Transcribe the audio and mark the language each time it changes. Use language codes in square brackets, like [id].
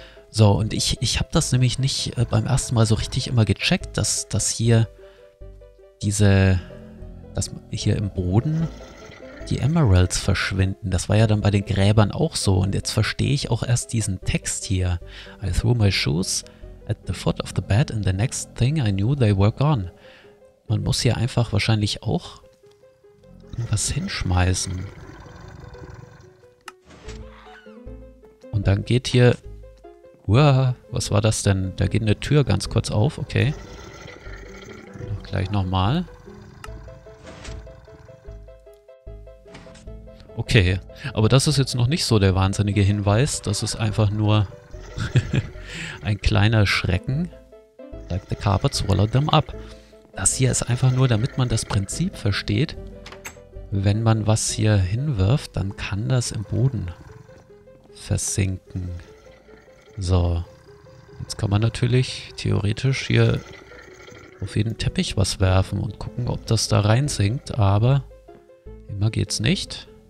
[de] So, und ich habe das nämlich nicht beim ersten Mal so richtig immer gecheckt, dass hier dass hier im Boden die Emeralds verschwinden. Das war ja dann bei den Gräbern auch so. Und jetzt verstehe ich auch erst diesen Text hier. [en] I threw my shoes at the foot of the bed and the next thing I knew they were gone. [de] Man muss hier einfach wahrscheinlich auch was hinschmeißen. Und dann geht hier. Uah, was war das denn? Da geht eine Tür ganz kurz auf. Okay. Noch gleich nochmal. Okay. Aber das ist jetzt noch nicht so der wahnsinnige Hinweis. Das ist einfach nur ein kleiner Schrecken. [en] Like the carpet swallowed them up. [de] Das hier ist einfach nur, damit man das Prinzip versteht. Wenn man was hier hinwirft, dann kann das im Boden versinken. So, jetzt kann man natürlich theoretisch hier auf jeden Teppich was werfen und gucken, ob das da reinsinkt, aber immer geht's nicht.